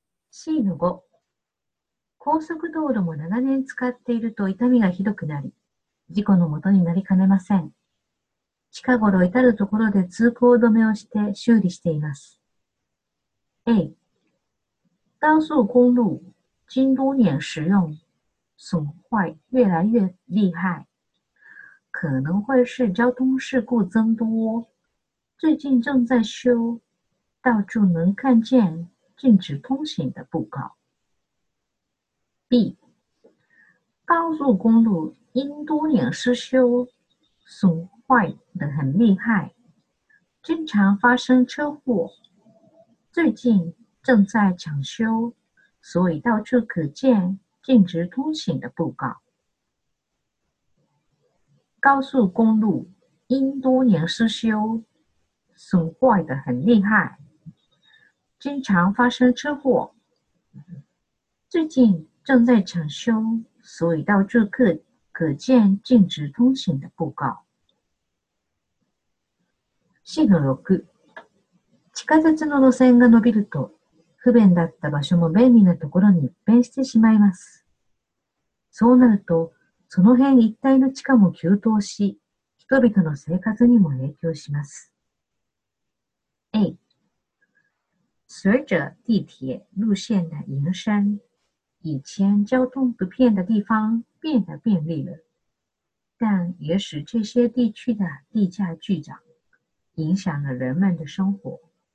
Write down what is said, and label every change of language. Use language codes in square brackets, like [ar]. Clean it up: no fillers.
[ja] C-5、高速道路も長年使っていると痛みがひどくなり、事故のもとになりかねません。近頃至るところで通行止めをして修理しています。 [zh] A、高速公路、近多年使用、損壊越来越厉害。可能会是交通事故增多。最近正在修、到处能看见禁止通行的布告。 B， 高速公路因多年失修，损坏得很厉害，经常发生车祸。最近正在抢修，所以到处可见禁止通行的布告。高速公路因多年失修，损坏得很厉害。经常发生车祸，最近正在抢修，所以到处可见禁止通行的布告。 [ja] C の6、地下鉄の路線が伸びると、不便だった場所も便利なところに一変してしまいます。そうなると、その辺一帯の地価も急騰し、人々の生活にも影響します。 [zh] A、随着地铁路线的延伸，以前交通不便的地方变得便利了，但也使这些地区的地价巨涨，影响了人们的生活。